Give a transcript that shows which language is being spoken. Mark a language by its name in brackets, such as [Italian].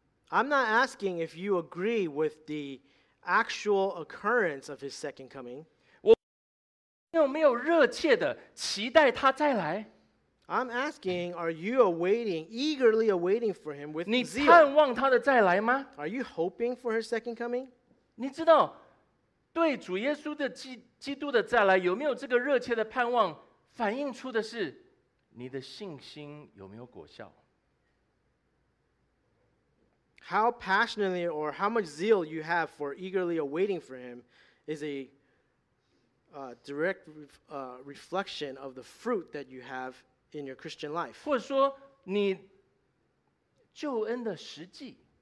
[English] I'm not asking if you agree with the actual occurrence of his second coming. [Chinese] 有没有热切的期待他再来？ [English] I'm asking, are you awaiting, eagerly awaiting for him with zeal? [Chinese] 你盼望他的再来吗？ [English] Are you hoping for his second coming? [Chinese] 你知道，对主耶稣的基督的再来，有没有这个热切的盼望，反映出的是你的信心有没有果效。 [English] How passionately or how much zeal you have for eagerly awaiting for him is a direct reflection of the fruit that you have in your Christian life. [Chinese] 或者说你救恩的实际。